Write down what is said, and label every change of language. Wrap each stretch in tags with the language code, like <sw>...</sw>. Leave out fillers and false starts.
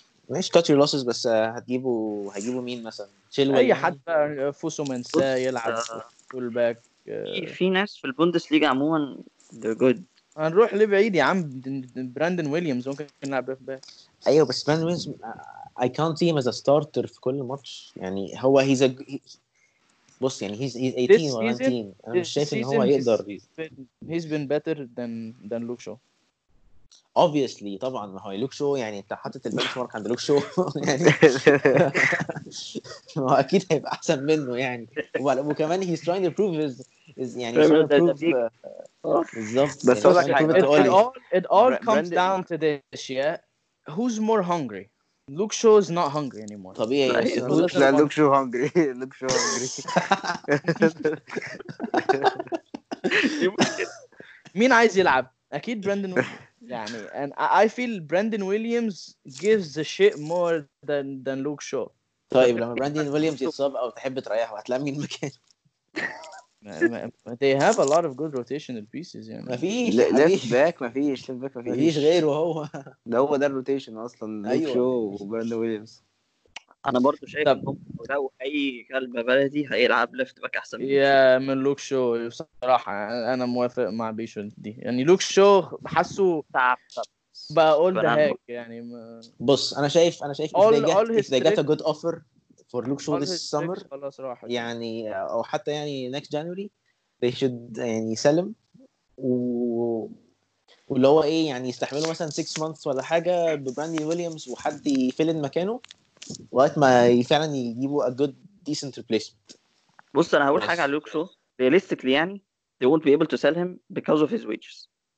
<ar>مش</ar> <en>cut your losses</en> <ar>بس هجيبه مين مثلا؟ أي حد فوسو منسا يلعب full back. في ناس في البوندسليغا عموما</ar> <en>they're good.</en> <ar>هنروح لبعيد يا عم, براندن ويليامز ممكن يلعب left back. أيوه بس براندن ويليامز</ar> <en>I can't see him as a starter</en> <ar>في كل ماتش.</ar> <en>يعني هو he's a بص يعني he's 18 or 19.</en> <ar>أنا مش شايف إن هو يقدر.</ar> <en>He's been better than Luke Shaw.</en> <ar>Obviously طبعاً ما هو Luke Shaw يعني أنت حاطط البنش مارك عند Luke Shaw يعني ما أكيد هيبقى أحسن منه يعني.</ar> <en>وكمان he's trying to prove his يعني بالضبط. بس هو it all comes down to this, yeah. Who's more hungry? Luke Shaw is not hungry anymore.</en> <ar>طبيعي.</ar> <en>لا Luke Shaw hungry. Luke Shaw hungry.</en> <ar>مين عايز يلعب؟ أكيد Brandon Williams.</ar> <en>يعني and I feel Brandon Williams gives a shit more than Luke Shaw.</en> <ar>طيب لما Brandon Williams يتصاب أو تحب تريحه هتلاقي مين مكان؟</ar> <en>They have a lot of good rotational pieces.</en> <ar>يعني. ما فيش غير وهو. ده هو ده الروتيشن أصلاً. أيوة. شو وبراند ويليامز. أنا برضو شايف. لو أي كلب بلدي هيلعب ليفت باك أحسن. يا من لوك شو بصراحة أنا موافق مع بيشو دي. يعني لوك شو حسوا. تعب. بقول ده هيك يعني. ما... بص انا شايف، انا شايف</ar> <en>all, if, they get, if they get a good offer for Luke Shaw this summer</en> <ar>يعني، او حتى يعني</ar> <en>next January they should</en> <ar>يعني يسلم واللي هو ايه يعني يستحمله مثلا 6 months ولا حاجة ببراندي ويليامز وحد يفلن مكانه وقت ما فعلا يجيبوا</ar> <en>a good decent replacement.</en> <ar>بص انا هقول حاجة على</ar> <en>Luke Shaw realistically يعني they won't be able to sell him because of his wages.</en>